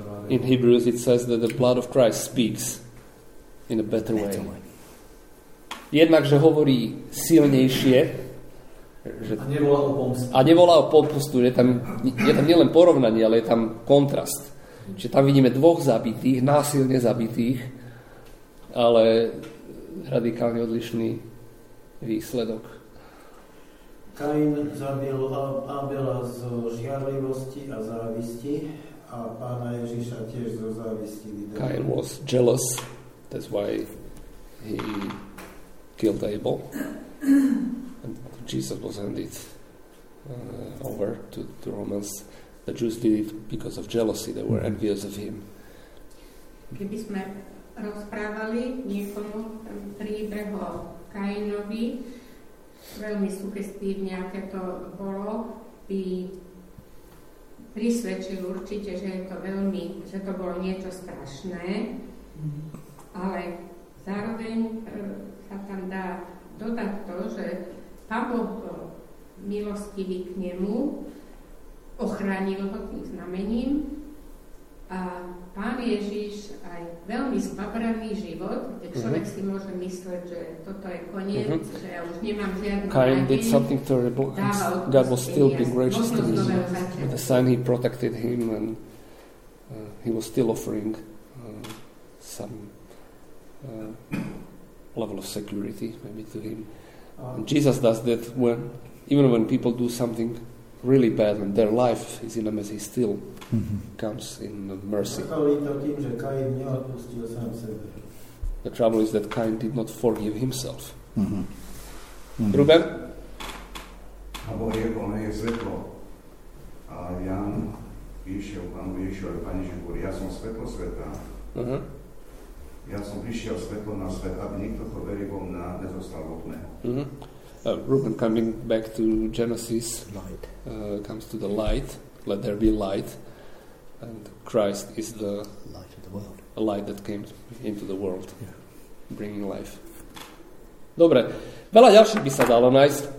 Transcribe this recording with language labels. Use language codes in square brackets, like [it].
[en] In Hebrews it says that the blood of Christ speaks in a better way. [sk] Jednakže hovorí silnejšie, že, a nevolá o pomstu. A nevolá o pomstu, že tam, je tam nielen porovnanie, ale je tam kontrast. Čiže tam vidíme dvoch zabitých, násilne zabitých, ale radikálne odlišný výsledok. Kain zabil Abela zo žiarlivosti a závisti a Pána Ježiša tiež zo závisti. [en] Kain was jealous, that's why he killed Abel. And Jesus was handed over to the Romans. The Jews did it because of jealousy, they were envious of him. [sk] Keby sme rozprávali niekomu príbeh o Kainovi, veľmi sugestívne, aké to bolo, by prisvedčil určite, že je to veľmi, že to bolo niečo strašné, ale zároveň sa tam dá dodať to, že Pán Boh bol milostivý k nemu, ochránil ho tým znamením a Pán Ježiš aj veľmi zbabravý život, kde človek si môže mysleť, že toto je koniec, že ja už nemám žiadnu [en] Kain did something terrible and God was still being gracious to him. With the sign he protected him and he was still offering some level of security maybe to him. And Jesus does that when, even when people do something really bad and their life is in a mess, he still comes in mercy. The trouble is that Cain did not forgive himself. Ruben? [sk] A Boh je plné svetlo. A Jan išiel Pánu Ježišu, ale Pane Ježišu, ja som svetlo sveta. Ja som prišiel svetlo na svet, aby nikto, kto verí vo mňa, nezostal vo tme. [en] Ruben, coming back to Genesis, comes to the light, let there be light, and Christ is the light of the world. A light that came into the world, bringing life. [sk] Dobre, veľa ďalších by sa dalo nájsť.